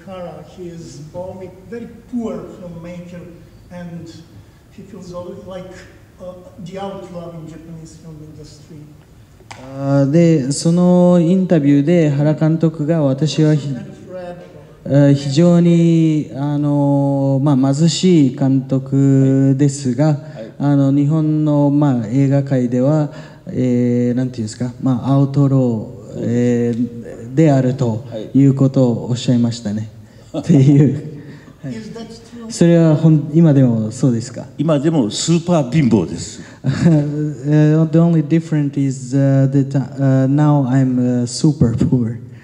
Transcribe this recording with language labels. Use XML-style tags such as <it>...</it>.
<en>Hara, he is a very poor filmmaker and he feels like the outlaw in Japanese film industry.</en> <ja>で、そのインタビューで原監督が私は非常に貧しい監督ですが、はい、日本の、映画界では、なんていうんですか、アウトロー、であるということをおっしゃいましたね、はい、っていう、はい、それは今でもそうですか。今でもスーパー貧乏です。</ja> <en>The only difference is that now I'm super poor.</en>